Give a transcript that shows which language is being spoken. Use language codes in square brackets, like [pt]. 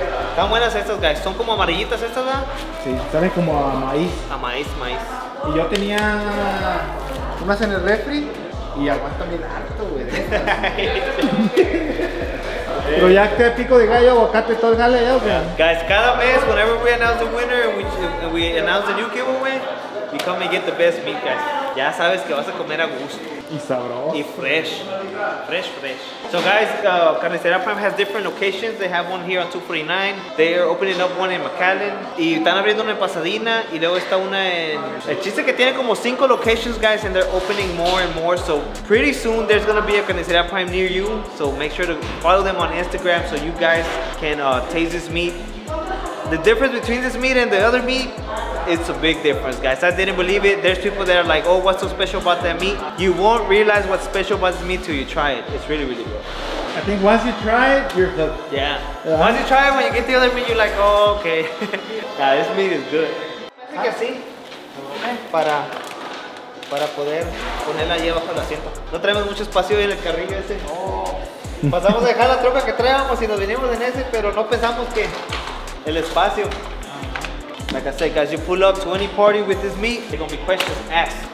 [es] Están buenas estas, guys. Son como amarillitas estas, ¿verdad? Sí, saben como a maíz. A maíz, maíz. Y yo tenía unas en el refri y aguanta bien harto, güey. Pero ya que pico de gallo, aguacate, todo el gallo, ya, o sea. [en] Guys, [es] cada mes, [en] whenever we announce the winner, we announce the new giveaway, you come and get the best meat, guys. [es] Ya sabes que vas a comer a gusto. Y sabroso. [en] Y fresh. Fresh, fresh. So guys, Carnicería Prime has different locations. They have one here on 249. They are opening up one in McAllen. [es] Y están abriendo una en Pasadena. Y luego está una en... El chiste que tiene como 5 locations, guys, [en] and they're opening more and more. So pretty soon there's gonna be a Carnicería Prime near you. So make sure to follow them on Instagram so you guys can taste this meat. The difference between this meat and the other meat, it's a big difference, guys. I didn't believe it. There's people that are like, oh, what's so special about that meat? You won't realize what's special about this meat till you try it. It's really, really good. I think once you try it, you're hooked. Yeah. Once you try it, when you get the other meat, you're like, oh, okay. Yeah, this meat is good. [es] Así que así, para poder ponerla ahí abajo del asiento. No traemos mucho espacio en el carrillo ese. No. Pasamos a dejar la troca que traíamos y nos vinimos en ese, pero no pensamos que el espacio. [en] Like I said, guys, you pull up to any party with this meat, they're gonna be questions asked.